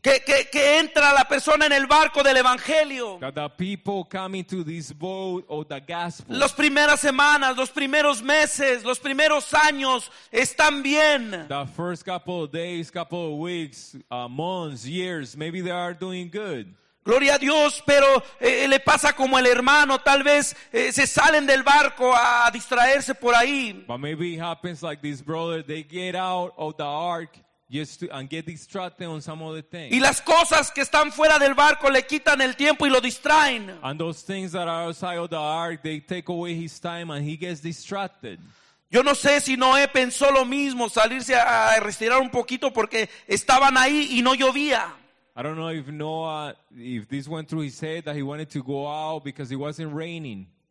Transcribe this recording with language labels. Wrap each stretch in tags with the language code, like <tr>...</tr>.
<es>que entra la persona en el barco del evangelio?</es> <en>That the people come into this boat of the gospel.</en> <es>Las primeras semanas, los primeros meses, los primeros años están bien.</es> <en>The first couple of days, couple of weeks, months, years, maybe they are doing good.</en> <es>Gloria a Dios, pero le pasa como el hermano, tal vez se salen del barco a distraerse por ahí.</es> <en>But maybe it happens like this brother, they get out of the ark just to, and get distracted on some other things.</en> <es>Y las cosas que están fuera del barco le quitan el tiempo y lo distraen.</es> <en>And those things that are outside of the ark, they take away his time and he gets distracted.</en> <es>Yo no sé si Noé pensó lo mismo, salirse a retirar un poquito porque estaban ahí y no llovía.</es> <en>I don't know if Noah, if this went through his head that he wanted to go out because it wasn't raining.</en>